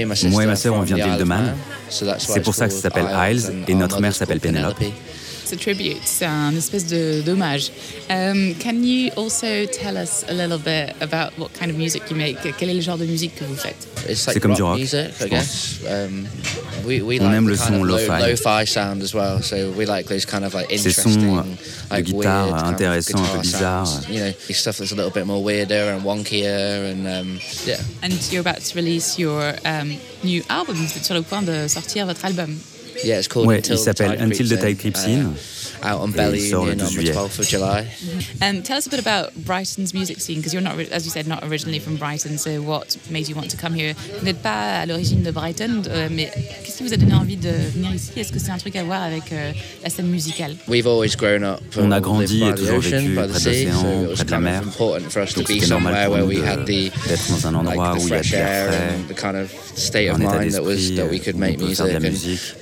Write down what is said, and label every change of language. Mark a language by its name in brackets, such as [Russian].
[French] Moi et ma sœur, on vient de l'île de Man. C'est pour ça que ça s'appelle Isles et notre mère s'appelle Penelope. C'est un espèce de dommage. [English] Can you also tell us a little bit about what kind of music you make? [French] Quel est le genre de musique que vous faites? C'est comme du rock, je pense. On aime le son lo-fi [English] sound as well. So we like those kind of like interesting, like [French] guitare intéressant, un peu bizarre. [English] You know, stuff that's a little bit more weirder and wonkier and yeah. And you're about to release your new album. [French] Vous êtes sur le point de sortir votre album. [English] Yeah, it's called [French] Until il s'appelle Until the Tide Creeps In. [English] Out on Belly, you know, on the 12th of July. And tell us a bit about Brighton's music scene, because you're not, as you said, not originally from Brighton. So what made you want to come here? [French] Vous n'êtes pas à l'origine de Brighton, mais qu'est-ce qui vous a donné envie de venir ici? Est-ce que c'est un truc à voir avec la scène musicale? [English] We've always grown up. [French] On a grandi et toujours vécu près de l'océan, près de la mer. Donc c'était normal pour nous d'être dans un endroit où il y a de l'air frais, un état d'esprit où on peut faire de la musique.